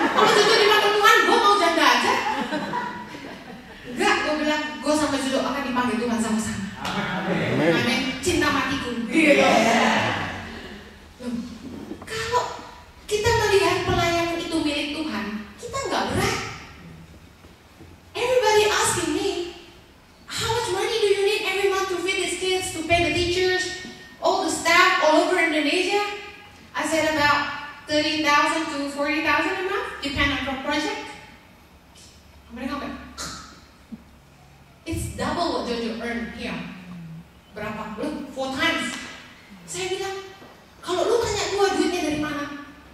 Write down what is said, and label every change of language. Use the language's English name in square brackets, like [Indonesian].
[Indonesian] Kalau Jojo dipanggil Tuhan, gue mau janda aja. Enggak, gue bilang, gue sama Jojo akan dipanggil Tuhan sama-sama. Amin. Amin. Cinta matiku. Iya. Yeah. Kalau kita melihat pelayanan itu milik Tuhan, kita enggak berat. [English] Everybody asking me, how much money do you need every month to feed these kids, to pay the teachers, all the staff all over Indonesia? I said about 30,000 to 40,000 a month, depending on the project. [Indonesian] Mereka bilang, [English] it's double what Jojo earn here. [Indonesian] Berapa? [English] Look, 4 times. [Indonesian] Saya bilang, kalau lu tanya gua duitnya dari mana?